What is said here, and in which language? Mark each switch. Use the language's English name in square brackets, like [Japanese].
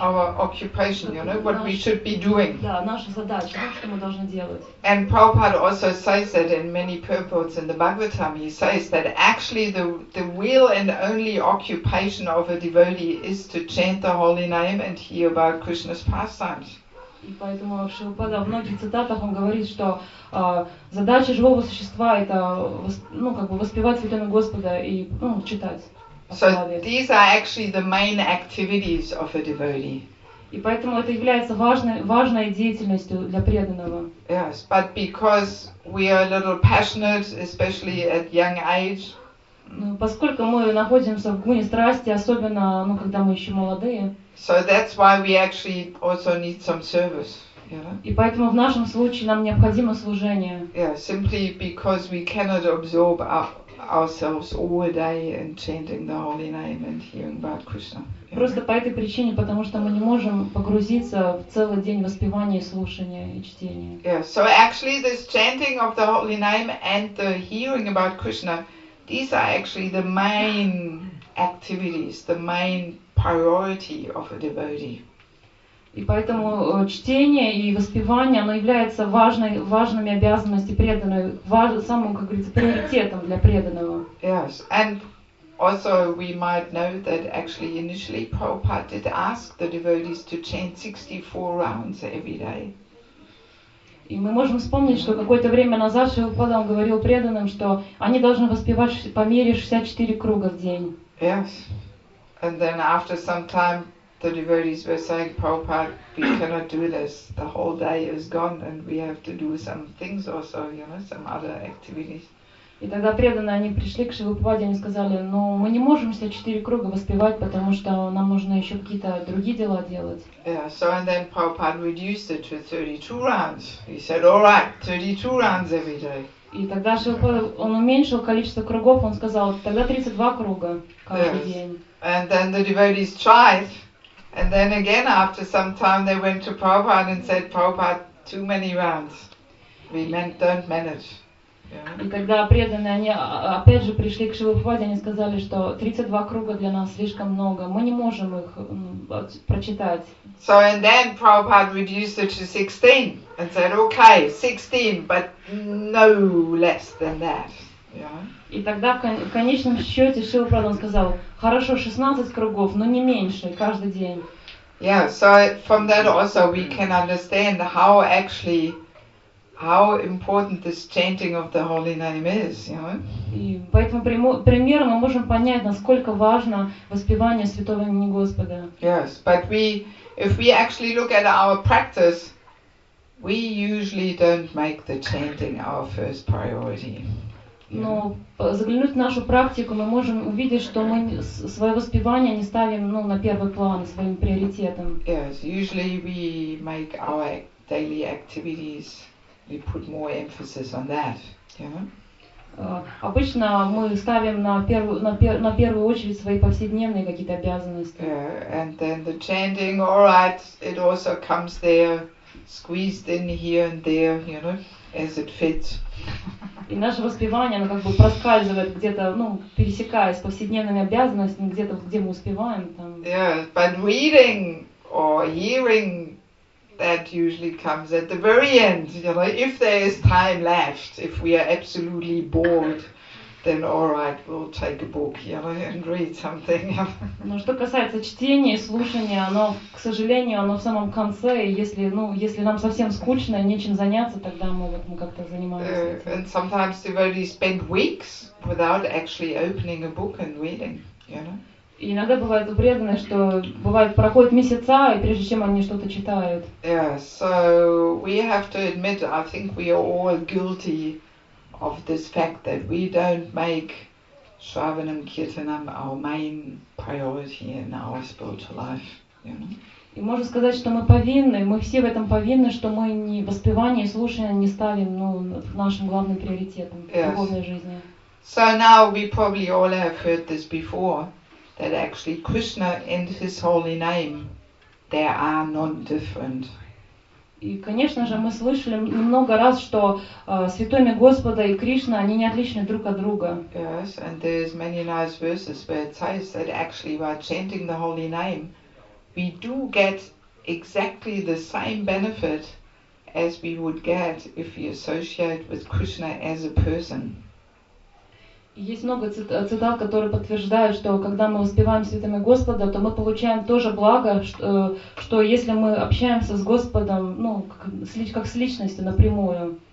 [English] Our occupation, you know, what we should be doing. [Russian] Да, наша задача, что мы должны делать. [English] And Prabhupada also says that in many purports in the Bhagavatam, he says that actually the real and only occupation of a devotee is to chant the holy name and hear about Krishna's pastimes. [Russian] И поэтому Шилпада в многих цитатах он говорит, что задача живого существа это воспевать святого Господа и читать. [English] So these are actually the main activities of a devotee. [Russian] И поэтому это является важной деятельностью для преданного. [English] Yes, but because we are a little passionate, especially at young age. [Russian] Поскольку мы находимся в гуне страсти, особенно когда мы еще молодые. [English] So that's why we actually also need some service. [Russian] И поэтому в нашем случае нам необходимо служение. [English] Yeah, simply because we cannot absorb ourselves all day and chanting the holy name and hearing about Krishna. [Russian] Просто по этой причине, потому что мы не можем погрузиться в целый день воспевания, слушания и чтения. [English] Yeah, so actually this chanting of the holy name and the hearing about Krishna, these are actually the main activities, the main priority of a devotee. [Russian] И поэтому чтение и воспевание, оно является важными обязанностями преданного, самым, как говорится, приоритетом для преданного. [English] Yes, and also we might know that actually initially Prabhupada did ask the devotees to chant 64 rounds every day. [Russian] И мы можем вспомнить, что какое-то время назад Шилпада он говорил преданным, что они должны воспевать по мере 64 круга в день. [English] Yes. And then after some time, the devotees were saying, Prabhupada, we cannot do this. The whole day is gone, and we have to do some things also, you know, some other activities. [Russian] И тогда преданные они пришли к Шилупаде, они сказали, ну мы не можем 64 круга воспевать, потому что нам нужно еще какие-то другие дела делать. [English] Yeah, so and then Prabhupada reduced it to 32 rounds. He said, all right, 32 rounds every day. [Russian] И тогда Шилупада он уменьшил количество кругов, он сказал, тогда 32 круга каждый [English] yes. [Russian] день. [English] And then the devotees tried, and then again after some time they went to Prabhupada and said, Prabhupada, too many rounds. We don't manage. [Russian] И когда преданные, они опять же пришли к Шилупаде, они сказали, что 32 круга для нас слишком много, мы не можем их прочитать. [English] So and then Prabhupada reduced it to 16 and said, okay, 16, but no less than that. [Russian] И тогда в конечном счете Шилупада сказал, хорошо, 16 кругов, но не меньше, каждый день. [English] Yeah, so from that also we can understand how actually how important this chanting of the holy name is, you know? [Russian] И поэтому пример мы можем понять, насколько важно воспевание святого имени Господа. [English] Yes, but we, if we actually look at our practice, we usually don't make the chanting our first priority. [Russian] Но заглянуть в нашу практику, мы можем увидеть, что мы свое воспевание не ставим, ну, на первый план своим приоритетом. [English] Yes, usually we make our daily activities. We put more emphasis on that, you know? [Russian] Обычно мы ставим на первую очередь свои повседневные какие-то обязанности. [English] Yeah, and then the chanting, all right, it also comes there, squeezed in here and there, you know, as it fits. [Russian] И наше воспевание, оно как бы проскальзывает где-то, ну, пересекаясь с повседневными обязанностями, где-то, где мы успеваем там. [English] Yeah, but reading or hearing that usually comes at the very end, you know, if there is time left, if we are absolutely bored, then all right, we'll take a book, you know, and read something. [Russian] Но что касается чтения и слушания, оно, к сожалению, оно в самом конце, и если, ну, если нам совсем скучно, нечем заняться, тогда мы вот мы как-то занимаемся этим. [English] And sometimes devotees spend weeks without actually opening a book and reading, you know. [Russian] И иногда бывает у преданных, что бывает проходит месяца, и прежде чем они что-то читают. [English] Yeah, so we have to admit, I think we are all guilty of this fact that we don't make Shravanam Kirtanam our main priority in our spiritual life. You know? [Russian] И можно сказать, что мы повинны, мы все в этом повинны, что мы не воспевание и слушание не ставим, ну, нашим главным приоритетом в духовной жизни. [English] So now we probably all have heard this before. That actually Krishna and his holy name, they are non-different. [Russian] И, конечно же, мы слышали много раз, что святое имя Господа и Кришна, они не отличны друг от друга. [English] Yes, and there's many nice verses where it says that actually by chanting the holy name, we do get exactly the same benefit as we would get if we associate with Krishna as a person. [Russian] Есть много цитат, которые подтверждают, что когда мы воспеваем святыми Господа, то мы получаем тоже благо, что если мы общаемся с Господом, ну, как с личностью напрямую.